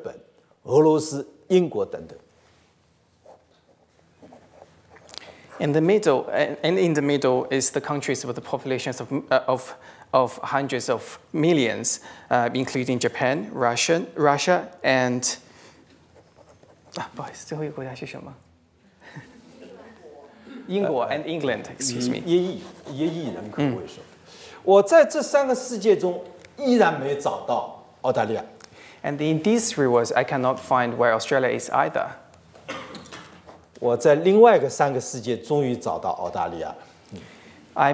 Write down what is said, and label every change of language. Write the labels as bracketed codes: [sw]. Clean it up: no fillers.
[zh] 中间一档，那就是以一亿人口为单位的，像日本、俄罗斯、英国等等。 [en] In the middle is the countries with the populations of hundreds of millions, including Japan, Russia, and. Boy, [zh] 最后一个国家是什么？英国 [en] and England. Excuse me. [zh] 一亿人口为首，我在这三个世界中依然没找到澳大利亚。 [en] And in these three worlds, I cannot find where Australia is either. [zh] 我在另外一个三个世界终于找到澳大利亚。 [en] I